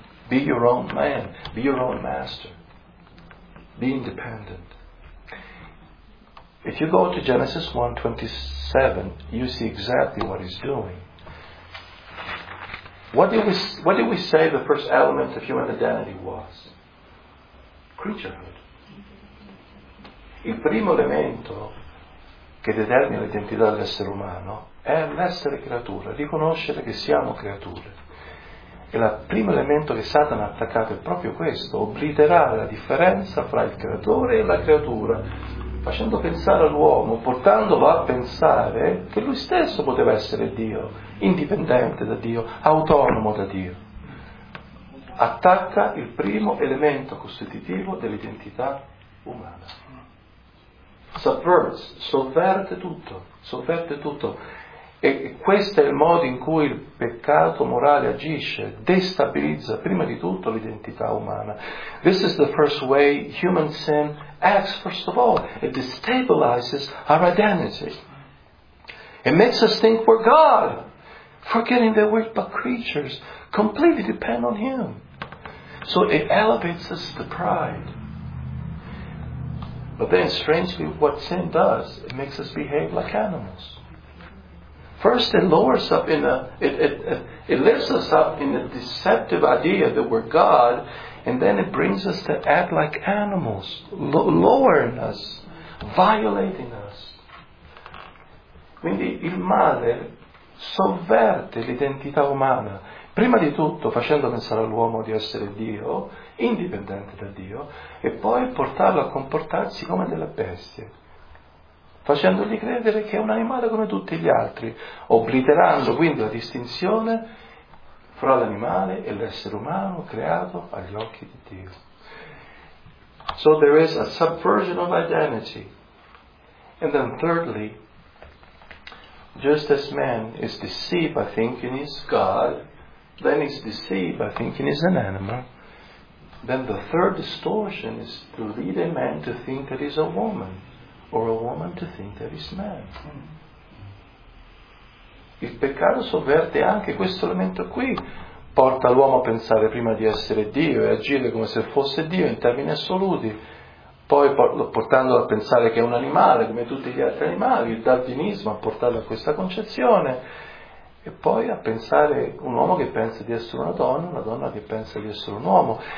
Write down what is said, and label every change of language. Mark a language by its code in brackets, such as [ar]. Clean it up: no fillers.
[en] Be your own man. Be your own master. Be independent. If you go to Genesis 1:27, you see exactly what he's doing. What did we say the first element of human identity was? Creaturehood. [it] Il primo elemento che determina l'identità dell'essere umano è l'essere creatura, riconoscere che siamo creature. E il primo elemento che Satana ha attaccato è proprio questo, obliterare la differenza fra il creatore e la creatura, facendo pensare all'uomo, portandolo a pensare che lui stesso poteva essere Dio, indipendente da Dio, autonomo da Dio. Attacca il primo elemento costitutivo dell'identità umana. Subverts, sovverte tutto. E questo è il modo in cui il peccato morale agisce, destabilizza prima di tutto l'identità umana. [en] This is the first way human sin acts, first of all. It destabilizes our identity. It makes us think we're God, forgetting that we're but creatures, completely depend on Him. So it elevates us to pride. But then, strangely, what sin does, it makes us behave like animals. First, it lowers up in a it lifts us up in a deceptive idea that we're God, and then it brings us to act like animals, lowering us, violating us. [it] Quindi il male sovverte l'identità umana, prima di tutto facendo pensare all'uomo di essere Dio, indipendente da Dio, e poi portarlo a comportarsi come delle bestie, facendogli credere che è un animale come tutti gli altri, obliterando quindi la distinzione fra l'animale e l'essere umano creato agli occhi di Dio. [en] So there is a subversion of identity. And then thirdly, just as man is deceived by thinking he's God, then he's deceived by thinking he's an animal, then the third distortion is to lead a man to think that he's a woman, or a woman to think that he's man. [it] Il peccato sovverte anche questo elemento qui, porta l'uomo a pensare prima di essere Dio e agire come se fosse Dio in termini assoluti, poi portandolo a pensare che è un animale come tutti gli altri animali, il darwinismo a portarlo a questa concezione, e poi a pensare un uomo che pensa di essere una donna che pensa di essere un uomo.